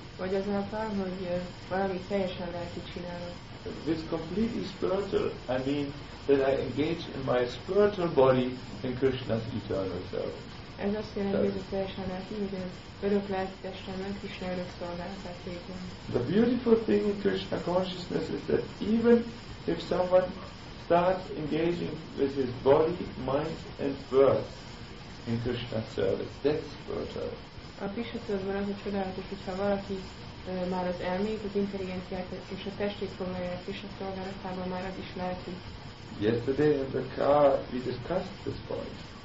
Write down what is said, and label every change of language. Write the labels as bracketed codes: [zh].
[hu] Vagy azáltal, hogy valami teljesen lelki csinálok. [en] With completely spiritual, I mean that I engage in my spiritual body in Krishna's eternal self. [hu] Ez azt jelenti, hogy teljesen lelki, hogy örök lelki testemben Krishna örök szolgálatát végzem. [en] The beautiful thing in Krishna consciousness is that even if someone starts engaging with his body, mind and birth in Krishna's service, that's spiritual. [hu] A Krishna tudatban az a csodálatos, hogyha valaki már az elmét, az intelligenciát és a testét foglalja a Krishna szolgálatában, már az is lehet. [en] Yesterday in the car we discussed this point.